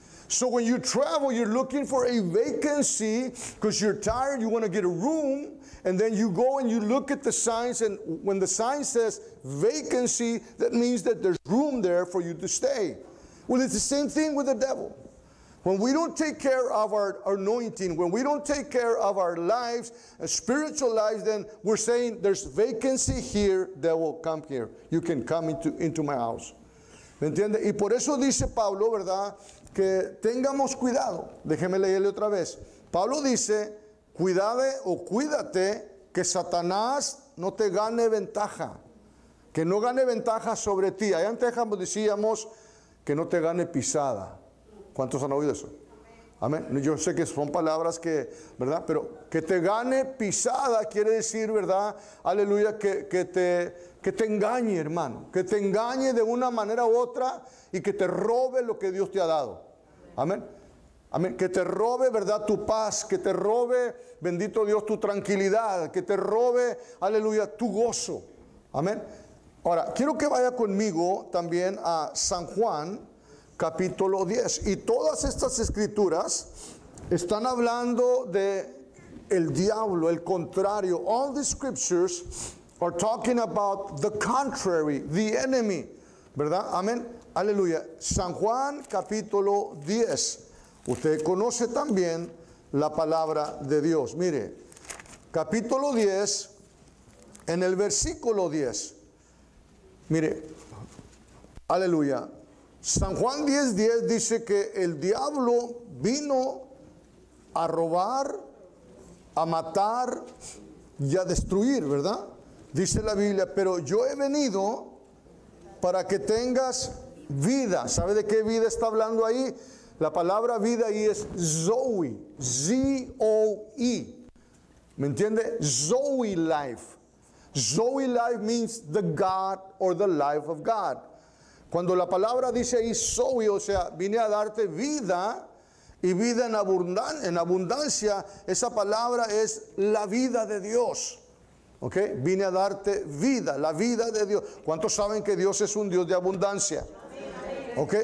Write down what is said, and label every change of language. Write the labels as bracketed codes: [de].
[en] So when you travel, you're looking for a vacancy because you're tired, you want to get a room, and then you go and you look at the signs, and when the sign says vacancy, that means that there's room there for you to stay. Well, it's the same thing with the devil. When we don't take care of our anointing, when we don't take care of our lives, spiritual lives, then we're saying there's vacancy here, devil, come here. You can come into my house. [es] ¿Me entiende? Y por eso dice Pablo, ¿verdad?, que tengamos cuidado. Déjeme leerle otra vez. Pablo dice, cuídate que Satanás no te gane ventaja, que no gane ventaja sobre ti. Allá en Texas decíamos que no te gane pisada. ¿Cuántos han oído eso? Amén. Yo sé que son palabras que, ¿verdad?, pero que te gane pisada quiere decir, ¿verdad?, aleluya, que te engañe, hermano, que te engañe de una manera u otra y que te robe lo que Dios te ha dado. Amén. Amén. Que te robe, ¿verdad?, tu paz, que te robe, bendito Dios, tu tranquilidad, que te robe, aleluya, tu gozo. Amén. Ahora, quiero que vaya conmigo también a San Juan, capítulo 10. Y todas estas escrituras están hablando de el diablo, el contrario. [en] All the scriptures are talking about the contrary, the enemy. [es] ¿Verdad? Amén. Aleluya. San Juan, capítulo 10. Usted conoce también la palabra de Dios. Mire, capítulo 10, en el versículo 10. Mire, aleluya. San Juan 10:10 dice que el diablo vino a robar, a matar y a destruir, ¿verdad? Dice la Biblia, pero yo he venido para que tengas vida. ¿Sabe de qué vida está hablando ahí? La palabra vida ahí es Zoe, Z-O-E. ¿Me entiende? Zoe life. [en] Zoe life means the God or the life of God. [es] Cuando la palabra dice ahí Zoe, o sea, vine a darte vida y vida en abundancia, esa palabra es la vida de Dios. ¿Ok? Vine a darte vida, la vida de Dios. ¿Cuántos saben que Dios es un Dios de abundancia? ¿Ok?